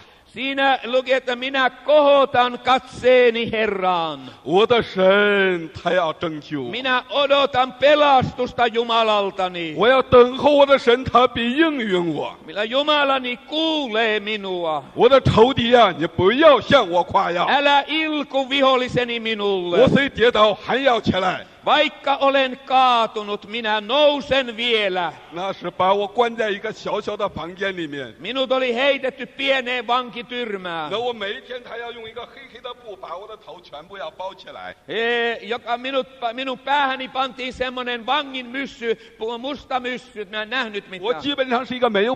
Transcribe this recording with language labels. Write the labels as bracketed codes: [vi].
[fi] Siinä lukee, että minä kohotan katseeni Herraan. [zh] 我的神他要拯救。 [fi] Minä odotan pelastusta Jumalaltani. [zh] 我要等候我的神他必应允我。 [fi] Millä Jumalani kuulee minua. [zh] 我的仇敌啊，你不要向我夸耀。 [fi] Älä ilku viholiseni minulle. [zh] 我虽跌倒还要起来。 [fi] Vaikka olen kaatunut, minä nousen vielä. [zh] 那是把我关在一个小小的房间里面。 [fi] Minut oli heitetty pieneen vankityrmään. [zh] 那我每一天他要用一个黑黑的布把我的头全部要包起来。 [fi] Joka minun päähäni pantiin semmoinen vangin myssy, musta myssy, että minä en nähnyt mitään.